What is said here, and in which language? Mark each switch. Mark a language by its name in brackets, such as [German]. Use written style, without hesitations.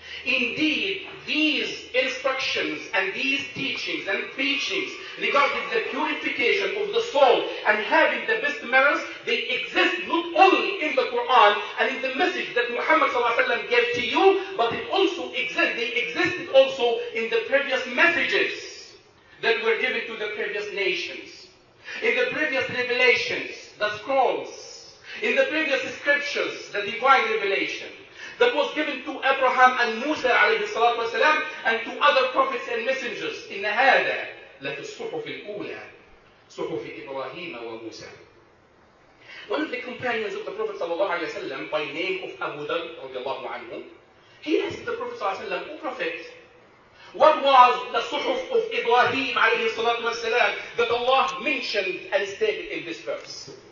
[English] Indeed, these instructions and these teachings and preachings regarding the purification of the soul and having the best manners, they exist not only in the Quran and in the message that Muhammad sallallahu alaihi wasallam gave to you, but it also exists, they existed also in the previous messages that were given to the previous nations, in the previous revelations, the scrolls, in the previous scriptures, the divine revelation that was given to Abraham and Musa alayhi salatu wa salam and to other prophets and messengers. [Arabic] إن هذا لفي الصحف الأولى صحف إبراهيم وموسى. [English] One of the companions of the Prophet sallallahu alayhi wa sallam by name of Abu Dharr radiallahu anhu, he asked the Prophet sallallahu alayhi wa sallam, O Prophet, what was the صحف of Ibrahim alayhi salatu wa salam that Allah mentioned and stated in this verse?